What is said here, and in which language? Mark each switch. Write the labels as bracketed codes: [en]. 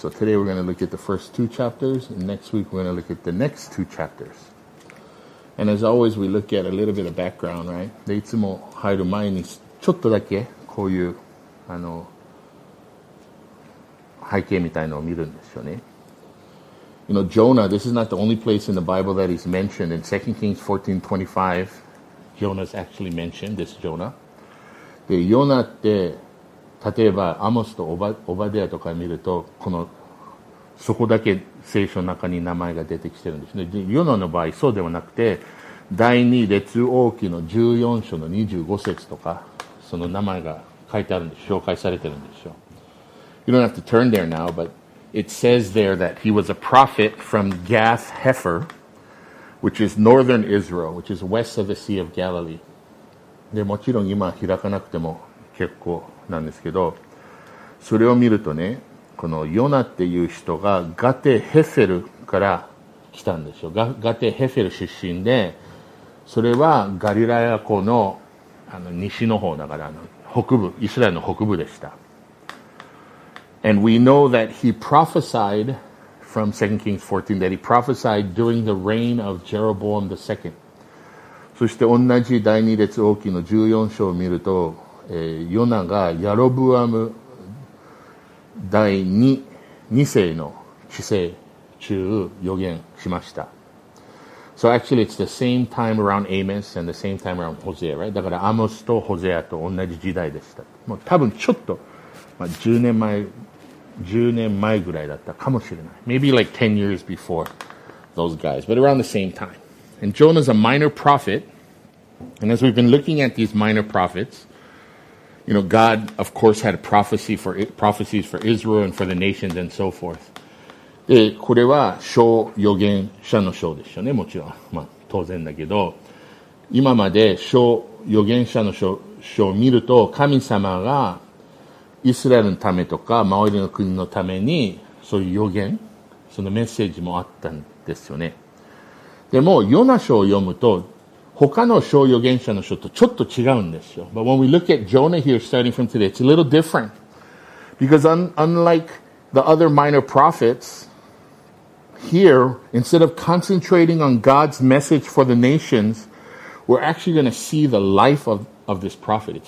[en] So today we're going to look at the first two chapters, and next week we're going to look at the next two chapters. And as always, we look at a little bit of background, right? [ja] でいつも入る前にちょっとだけこういうあの背景みたいのを見るんですよね。 [en] You know, Jonah, this is not the only place in the Bible that he's mentioned. In 2 Kings 14:25, Jonah's actually mentioned, this Jonah. [ja] で、ヨナって、例えばアモスとオバデアとか見ると、この、そこだけ聖書の中に名前が出てきてるんですね。で、ヨナの場合、そうではなくて、第2列王記の14章の25節とか、その名前が書いてあるんです。紹介されてるんですよ。 [en] You don't have to turn there now, but it says there that he was a prophet from Gath Hepher, which is northern Israel, which is west of the Sea of Galilee. [ja] で、もちろん今開かなくても結構なんですけど、それを見るとね、このヨナっていう人がガテヘフェルから来たんですよ。ガテヘフェル出身で、それはガリラヤ湖 の、 あの西の方だから、あの北部、イスラエルの北部でした。 [en] And we know that he prophesied from 2 Kings 14 that he prophesied during the reign of Jeroboam the second. [ja] そして同じ第二列王記の14章を見ると、ヨナがヤロブアム第 2世の治世中予言しました。 [en] So actually it's the same time around Amos and the same time around Hosea, right? [ja] だからアモスとホゼアと同じ時代でした。もう多分ちょっと、まあ、10年前ぐらいだったかもしれない。 [en] Maybe like 10 years before those guys, but around the same time. And Jonah's a minor prophet. And as we've been looking at these minor prophets, you know, God, of course, had a prophecy for it, prophecies for Israel and for the nations and so forth. [ja] で、これは書予言者の書ですよね。もちろん。まあ、当然だけど、今まで書予言者の書を見ると、神様がイスラエルのためとか周りの国のためにそういう予言、そのメッセージもあったんですよね。でもヨナ書を読むと他の書預言者の書とちょっと違うんですよ。 [en] But when we look at Jonah here starting from today, it's a little different because unlike the other minor prophets here, instead of concentrating on God's message for the nations, we're actually going to see the life of this prophet.